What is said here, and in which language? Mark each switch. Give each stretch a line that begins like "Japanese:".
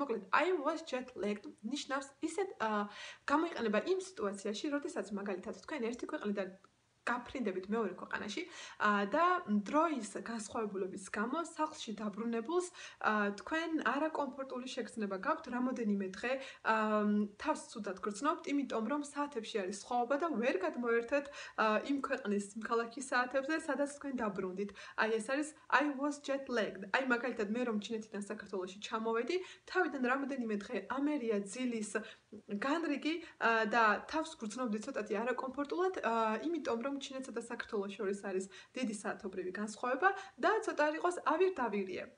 Georgian: მოკლედ
English: I was jet lagged
Georgian: ნიშნავს ისეთ გამოიყენება იმ სიტუაციაში, როდესაც მაგალითად თქვენ ერთი ქვეყნიდან გაფრინდებით მეორე ქვეყანაში და დროის განსხვავებულობის გამო სახლში დაბრუნებულს თქვენ არაკომფორტული შეგრძნება გაქვთ რამოდენიმე დღე თავს ცუდად გრძნობთ იმიტომ რომ საათებში არის სხვაობა და ვერ გადმოერთეთ იმ ქვეყნის იმ ქალაქის საათებზე სადაც თქვენ დაბრუნდით. აი ეს არის
English: I was jet lagged.
Georgian: აი მაგალითად მე რომ ჩინეთიდან საქართველოში ჩამოვედი თავიდან რამოდენიმე დღე ამერია ძილის განრიგი და თავს გრძნობდი ცოტათი არაკომფორტულად იმიტომ რომ ჩინეთსა და საქართველოს შორის არის დიდი საათობრივი განსხვავება და ცოტა იყოს ავირდავირია.